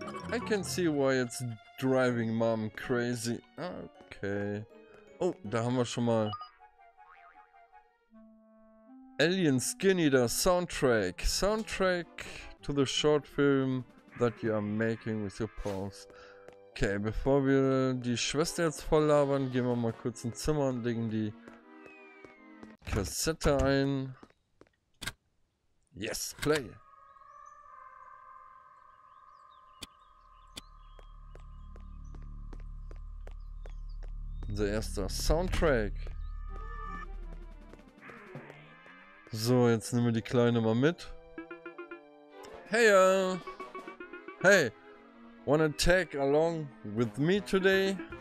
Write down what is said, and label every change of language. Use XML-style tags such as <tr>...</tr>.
<en>I can see why it's driving mom crazy.</en> <de>Okay. Oh, da haben wir schon mal.</de> <en>Alien Skin Eater Soundtrack. Soundtrack to the short film that you are making with your pals.</en> <de>Okay, bevor wir die Schwester jetzt voll labern, gehen wir mal kurz ins Zimmer und legen die Kassette ein.</de> <en>Yes, play.</en> <de>Unser erster Soundtrack. So, jetzt nehmen wir die Kleine mal mit.</de> <en>Hey, hey, wanna tag along with me today?</en>